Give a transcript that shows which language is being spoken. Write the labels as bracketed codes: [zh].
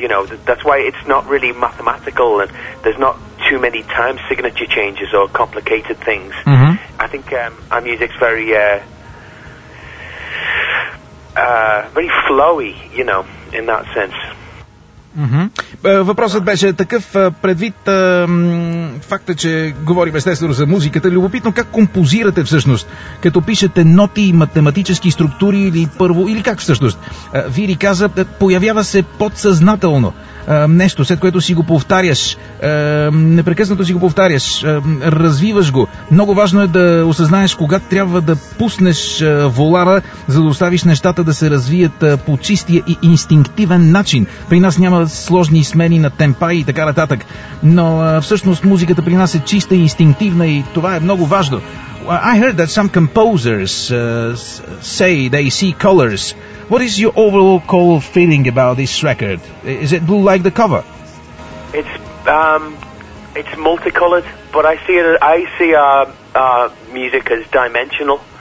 [en] You know, that's why it's not really mathematical, and there's not too many time signature changes or complicated things. Mm-hmm. I think our music's very very flowy. You know, in that sense. Mm-hmm. [bg] Въпросът беше такъв, предвид факта, че говорим естествено за музиката. Любопитно, как композирате всъщност? Като пишете ноти, математически структури или първо, или как всъщност? Вири каза, появява се подсъзнателно нещо, след което си го повтаряш, непрекъснато си го повтаряш, развиваш го. Много важно е да осъзнаеш кога трябва да пуснеш волара, за да оставиш нещата да се развият по чистия и инстинктивен начин. При нас няма сложни смени на темпа и така нататък, но всъщност музиката при нас е чиста и инстинктивна и това е много важно. [en] I heard that some composers say they see colors. What is your overall call feeling about this record? Is it blue like the cover? It's multicolored, but I see our music as dimensional.